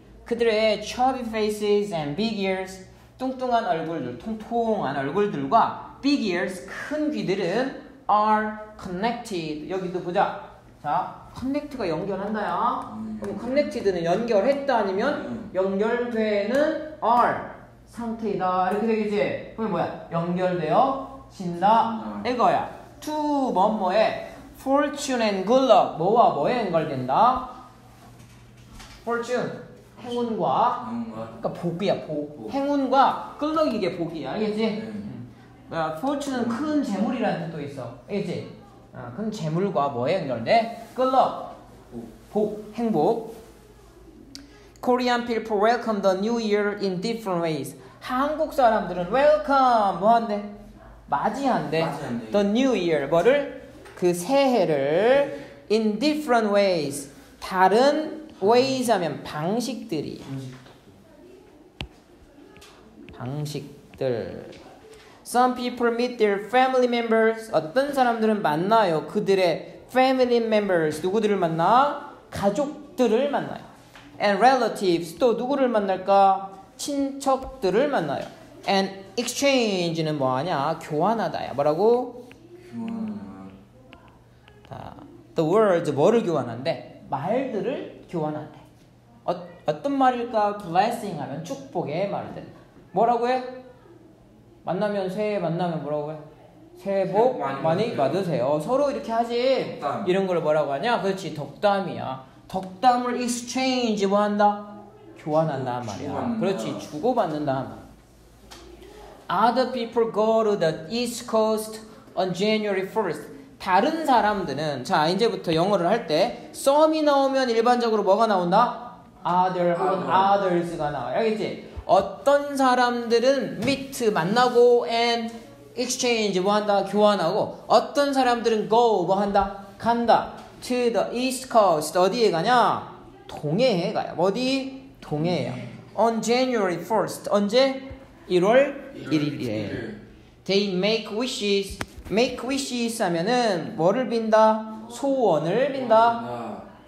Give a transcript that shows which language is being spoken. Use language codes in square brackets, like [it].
[ko] 그들의 [en] chubby faces and big ears. [ko] 뚱뚱한 얼굴들, 통통한 얼굴들과 [en] big ears, [ko] 큰 귀들은 [en] are connected. [ko] 여기도 보자. 자, connect가 연결한다야. 그럼 connected는 연결했다 아니면 연결되는 are 상태이다. 이렇게 되겠지? 그럼 뭐야? 연결되어 진다. 이거야. [en] to [ko] 뭐뭐에 [en] fortune and good luck. [ko] 뭐와 뭐에 연결된다? fortune. 행운과, 그러니까 복이야, 복. 행운과 끌럭이 이게 복이야, 알겠지? 뭐야, fortune은 큰 재물이라는 뜻도 있어, 알겠지? 큰 재물과 뭐에 연결돼? 끌럭, 복, 행복. [en] Korean people welcome the new year in different ways. [ko] 한국 사람들은 welcome, 뭐한대? 맞이한대. [en] The new year, [ko] 뭐를? 그 새해를 [en] in different ways, [ko] 다른 ways 하면 방식들이. 방식들. [en] Some people meet their family members. [ko] 어떤 사람들은 만나요. 그들의 [en] family members. [ko] 누구들을 만나? 가족들을 만나요. [en] And relatives. [ko] 또 누구를 만날까? 친척들을 만나요. [en] And exchange [ko] 는 뭐하냐? 교환하다야. 뭐라고? 교환. [en] The words. [ko] 뭐를 교환한대? 말들을 교환한대. 어떤 말일까? blessing 하면 축복의 말들. 뭐라고 해? 만나면 새해 만나면 뭐라고 해? 새해 복 많이 받으세요. 서로 이렇게 하지. 덕담. 이런 걸 뭐라고 하냐? 그렇지, 덕담이야. 덕담을 exchange 뭐 한다? 교환한다 말이야. 주고받는다. 그렇지, 주고받는다. [en] Other people go to the East Coast on January 1st. [ko] 다른 사람들은, 자 이제부터 영어를 할 때 some이 나오면 일반적으로 뭐가 나온다? others가 나와요. 알겠지? 어떤 사람들은 meet 만나고 [en] and exchange [ko] 뭐 한다 교환하고 어떤 사람들은 go 뭐 한다 간다 [en] to the east coast [ko] 어디에 가냐 동해에 가요 어디 동해에요 [en] on January 1st [ko] 언제 1월 1일에 [en] they make wishes make wishes [ko] 하면은 뭐를 빈다 소원을 빈다